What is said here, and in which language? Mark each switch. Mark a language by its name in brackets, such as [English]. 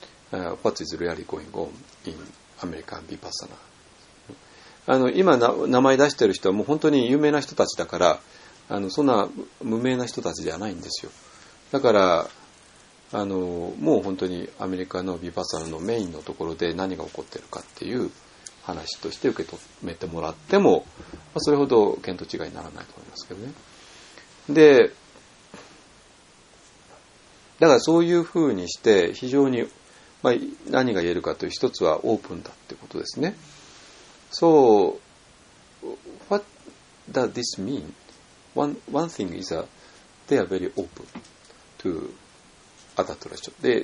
[English] What is really going on in American Vipassana? [Japanese] 今名前出してる人はもう本当に有名な人たちだから、そんな無名な人たちじゃないんですよ。だからもう本当にアメリカの Vipassana のメインのところで何が起こってるかっていう話として受け止めてもらっても、まあ、それほど見当違いにならないと思いますけどね。で、だからそういうふうにして非常に、まあ、何が言えるかという、一つはオープンだってことですね。 [English] So, what does this mean? One thing is that they are very open to other traditions.